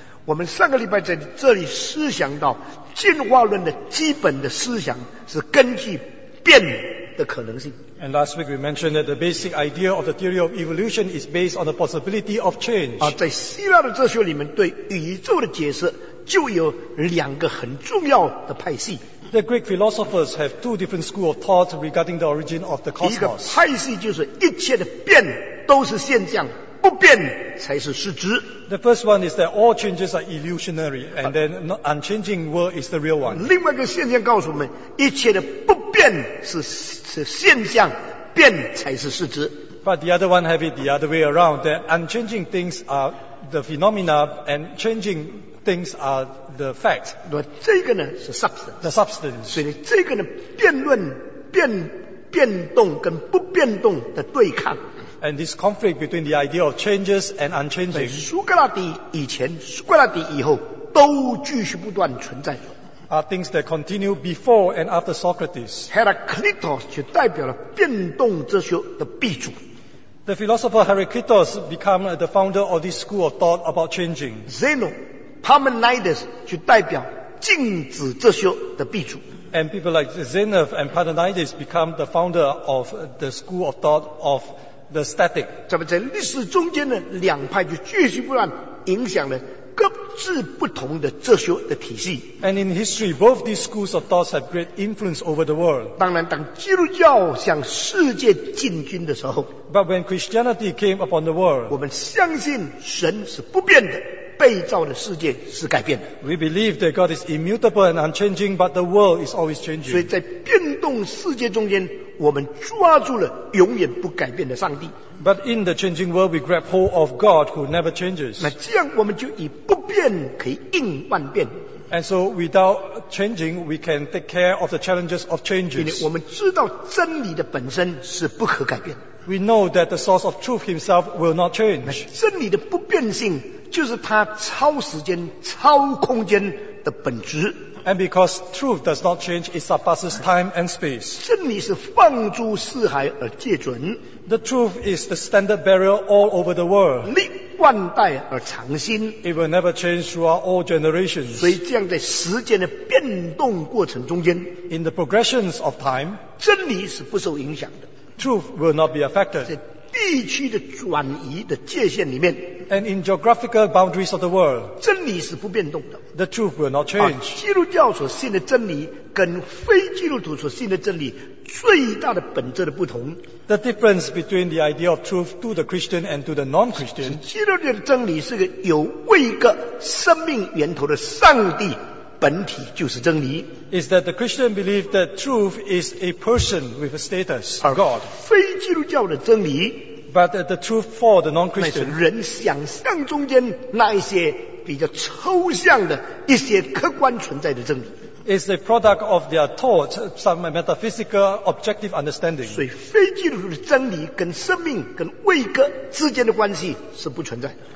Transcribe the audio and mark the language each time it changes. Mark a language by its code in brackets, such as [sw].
[zh] 我们上个礼拜在这里思想到进化论的基本的思想是根据变的可能性。 [en] And last week we mentioned that the basic idea of the theory of evolution is based on the possibility of change. [zh] 在希腊的哲学里面对宇宙的解释就有两个很重要的派系。 [en] The Greek philosophers have two different schools of thought regarding the origin of the cosmos. [zh] 一个派系就是一切的变都是现象，不变才是实质。 [en] The first one is that all changes are illusionary, and then unchanging world is the real one. [zh] 另外一个现象告诉我们，一切的不变是现象，变才是实质。 [en] But the other one have it the other way around, that unchanging things are the phenomena, and changing things are the fact. [zh] 那这个呢是 substance. [en] The substance. [zh] 所以这个呢，辩论变动跟不变动的对抗。 [en] And this conflict between the idea of changes and unchanging. [zh] 苏格拉底以前、苏格拉底以后都继续不断存在着。 [en] Are things that continue before and after Socrates. [zh] Heraclitus 就代表了变动哲学的鼻祖。 [en] The philosopher Heraclitus became the founder of this school of thought about changing. [zh] Zeno, Parmenides 就代表静止哲学的鼻祖。 [en] And people like Zeno and Parmenides become the founder of the school of thought of The static. [zh] 这么在历史中间呢，两派就继续不断影响了各自不同的哲学的体系。 [en] And in history, both these schools of thought have great influence over the world. [zh] 当然，当基督教向世界进军的时候 [en] ，But when Christianity came upon the world, [zh] 我们相信神是不变的，被造的世界是改变的。 [en] We believe that God is immutable and unchanging, but the world is always changing. [zh] 所以在变动世界中间。我们抓住了永远不改变的上帝。 [en] But in the changing world, we grab hold of God who never changes. [zh] 那这样我们就以不变可以应万变。 [en] And so without changing, we can take care of the challenges of changes. [zh] 因为我们知道真理的本身是不可改变。 [en] We know that the source of truth himself will not change. [zh] 那真理的不变性就是它超时间、超空间的本质。 [en] And because truth does not change, it surpasses time and space. [zh] 真理是放诸四海而皆准。 [en] The truth is the standard bearer all over the world. [zh] 历万代而常新。 [en] It will never change throughout all generations. [zh] 所以这样在时间的变动过程中间 [en] ，in the progressions of time， [zh] 真理是不受影响的。 [en] Truth will not be affected. [zh] 在地区的转移的界限里面。 [en] And in geographical boundaries of the world, [zh] 真理是不变动的。 [en] The truth will not change. [zh] 基督教所信的真理跟非基督徒所信的真理最大的本质的不同。 [en] The difference between the idea of truth to the Christian and to the non-Christian. [zh] 基督教的真理是个有位格生命源头的上帝本体就是真理。 [en] Is that the Christian believe that truth is a person with a status, God. [zh] 非基督教的真理 [en] But the truth for the non-Christian. [zh] 人想象中间那一些比较抽象的一些客观存在的真理。 [en] It's a product of their thought, some metaphysical objective understanding. [zh] 所以非基督的真理跟生命跟位格之间的关系是不存在的。